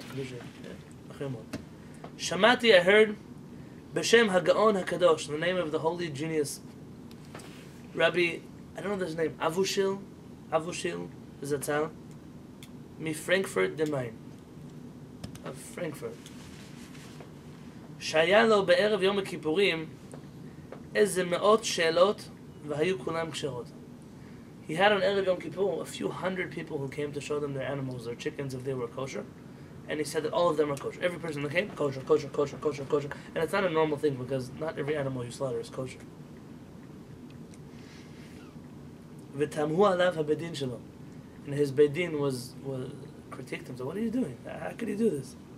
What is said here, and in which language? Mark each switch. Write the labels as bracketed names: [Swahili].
[English] Acharei Mot. Shamati, I heard, [Hebrew] b'shem Hagaon Hakadosh, [English] the name of the holy genius, Rabbi, I don't know his name, Avushil Zatzal, mi Frankfurt de Main, of Frankfurt. [Hebrew] שהיה לו בערב יום הכיפורים איזה מאות שאלות והיו כולם קשרות. [English] He had on ערב יום כיפור a few hundred people who came to show them their animals, their chickens, if they were kosher. And he said that all of them are kosher. Every person that came, kosher, kosher, kosher, kosher, kosher. And it's not a normal thing because not every animal you slaughter is kosher. [Hebrew] ותמהו עליו הבדין שלו. [English] And his בדין was critiqued him. So what are you doing? How could you do this?